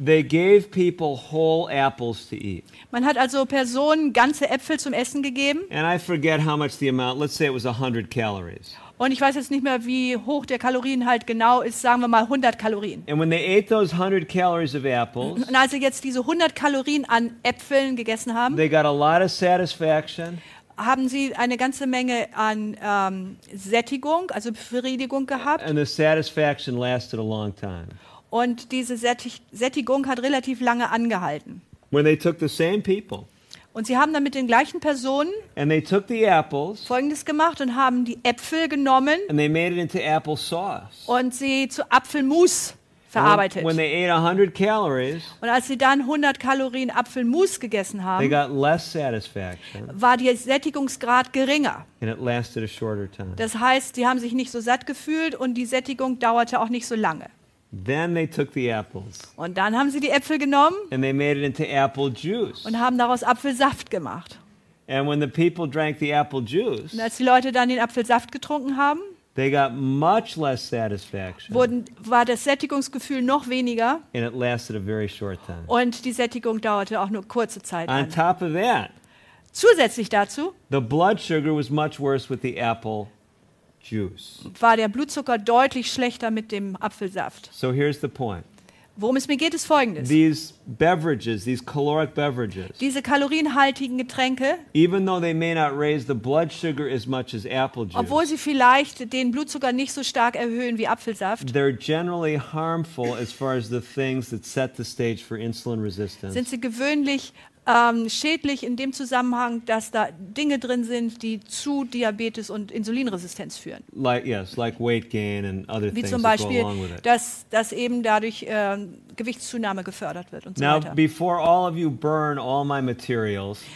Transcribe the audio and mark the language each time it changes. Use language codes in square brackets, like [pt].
[en] They gave people whole apples to eat. [de] Man hat also Personen ganze Äpfel zum Essen gegeben. [en] And I forget how much the amount. Let's say it was 100 calories. [de] Und ich weiß jetzt nicht mehr, wie hoch der Kalorienhalt genau ist. Sagen wir mal 100 Kalorien. [en] And when they ate those 100 calories of apples, [de] und als sie jetzt diese 100 Kalorien an Äpfeln gegessen haben, [en] they got a lot of satisfaction. [de] Haben Sie eine ganze Menge an Sättigung, also Befriedigung gehabt? [en] And the satisfaction lasted a long time. [de] Und diese Sättigung hat relativ lange angehalten. [en] When they took the same people, [de] und Sie haben dann mit den gleichen Personen [en] and they took the apples, [de] Folgendes gemacht und haben die Äpfel genommen [en] and they made it into apple sauce. [de] Und sie zu Apfelmus verarbeitet. [en] When they ate 100 calories, [de] und als sie dann 100 Kalorien Apfelmus gegessen haben, [en] they got less satisfaction, [de] war der Sättigungsgrad geringer. [en] And it lasted a shorter time. [de] Das heißt, sie haben sich nicht so satt gefühlt und die Sättigung dauerte auch nicht so lange. [en] Then they took the apples, [de] und dann haben sie die Äpfel genommen [en] and they made it into apple juice, [de] und haben daraus Apfelsaft gemacht. [en] And when the people drank the apple juice, [de] und als die Leute dann den Apfelsaft getrunken haben, [en] they got much less satisfaction. [de] War das Sättigungsgefühl noch weniger. [en] And it lasted a very short time. [de] Und die Sättigung dauerte auch nur kurze Zeit. [en] On top of that, [de] zusätzlich dazu, [en] the blood sugar was much worse with the apple juice. [de] War der Blutzucker deutlich schlechter mit dem Apfelsaft. [en] So here's the point. [de] Worum es mir geht, ist Folgendes. [en] These beverages, these caloric beverages, [de] diese kalorienhaltigen Getränke, [en] even though they may not raise the blood sugar as much as apple juice, [de] obwohl sie vielleicht den Blutzucker nicht so stark erhöhen wie Apfelsaft, [en] they're generally harmful as far as the things that set the stage for insulin resistance. [de] Sind sie gewöhnlich schädlich in dem Zusammenhang, dass da Dinge drin sind, die zu Diabetes und Insulinresistenz führen. [en] Like weight gain and other things. [de] Wie zum Beispiel, dass eben dadurch Gewichtszunahme gefördert wird und so [en] now, [de] weiter. [en] Now, before all of you burn all my materials.